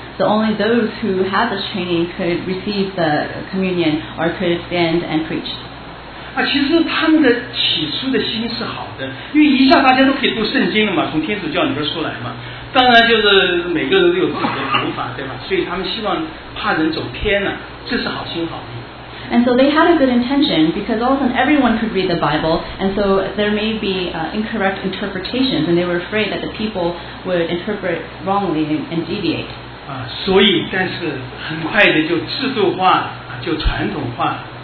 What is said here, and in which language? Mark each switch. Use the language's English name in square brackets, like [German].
[English] So only those who had this training could receive the communion or could stand and preach. [Chinese] 其实他们的起初的心是好的，因为一下大家都可以读圣经了嘛，从天主教里边出来嘛，当然就是每个人都有自己的读法，对吧？所以他们希望怕人走偏了，这是好心好意。 [English] And so they had a good intention because all of a sudden everyone could read the Bible, and so there may be incorrect interpretations, and they were afraid that the people would interpret wrongly and deviate. [Chinese] 所以但是很快的就制度化，就传统化。